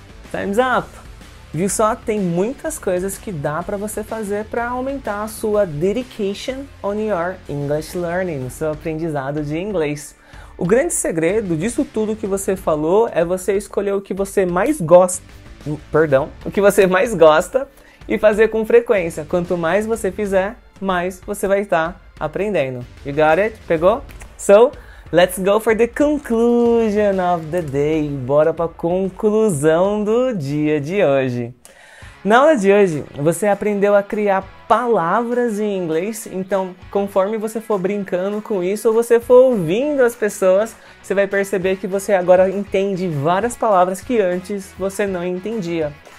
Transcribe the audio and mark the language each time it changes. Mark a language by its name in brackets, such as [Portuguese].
[English] Time's up! [Portuguese] Viu só? Tem muitas coisas que dá para você fazer para aumentar a sua [English] dedication on your English learning, [Portuguese] o seu aprendizado de inglês. O grande segredo disso tudo que você falou é você escolher o que você mais gosta, perdão, o que você mais gosta e fazer com frequência. Quanto mais você fizer, mais você vai estar aprendendo. [English] You got it? [Portuguese] Pegou? [English] So, let's go for the conclusion of the day. [Portuguese] Bora para a conclusão do dia de hoje. Na aula de hoje, você aprendeu a criar palavras em inglês. Então, conforme você for brincando com isso, ou você for ouvindo as pessoas, você vai perceber que você agora entende várias palavras que antes você não entendia.